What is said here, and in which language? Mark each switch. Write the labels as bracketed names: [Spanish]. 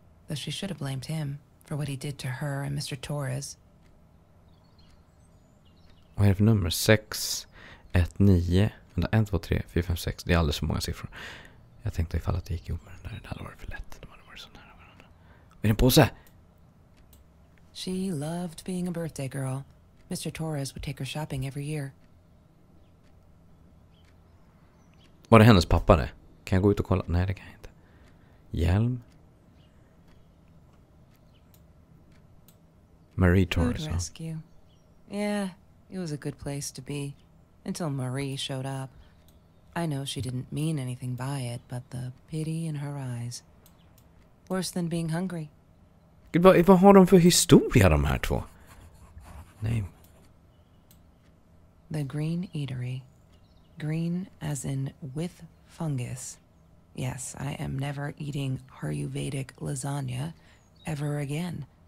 [English] Though she should have blamed him for what he did to her and Mr. Torres. [Swedish] Vad är det för nummer? 619. Vänta, 1, 2, 3, 4, 5, 6. Det är alldeles för många siffror. Jag tänkte ifall att det gick ihop med den där. Det hade varit för lätt. De hade varit så nära varandra. Är det en påse? [English] She loved being a birthday girl. Mr. Torres would take her shopping every year. [Swedish] Var det hennes pappa det? Kan jag gå ut och kolla? Nej, det kan jag inte. Hjälm. Marie Torres. [English] Food rescue. Ja. Yeah, it was a good place to be. Until Marie showed up. I know she didn't mean anything by it, but the pity in her eyes. Worse than being hungry. [Swedish] Gud, vad har de för historia, de här två? Nej. [English] The green eatery. Green as in with fungus. Yes, I am never eating Ayurvedic lasagna ever again.